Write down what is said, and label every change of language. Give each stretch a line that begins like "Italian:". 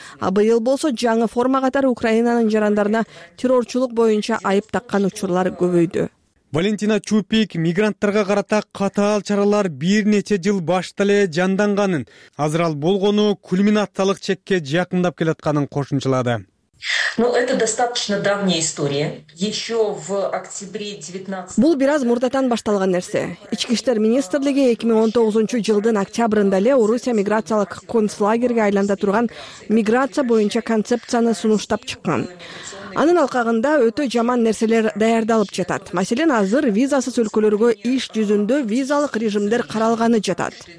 Kyrgyz: А быйыл болсо жаңы форма катар Украинанын жарандарына террорчулук боюнча айып таккан учурлар көбөйдү. Валентина Чупик мигранттарга карата катаал чаралар бир нече жыл башта эле жанданганын, азыр ал болгону кульминациялык чекке жакындап келатканын кошумчалады.
Russian: Ну, это достаточно давняя история. Еще в октябре 19.
Kyrgyz: Бул бир аз мурдатан башталган нерсе. Ички иштер министрлиги 2019 жылдын октябрында эле Орусия миграциялык концлагерге айланда турган миграция боюнча концепцияны сунуштап чыккан. Анын алкагында өтө жаман нерселер даярдалып жатат. Маселен, азыр визасыз өлкөлөргө иш жүзүндө визалык режимдер каралганы жатат.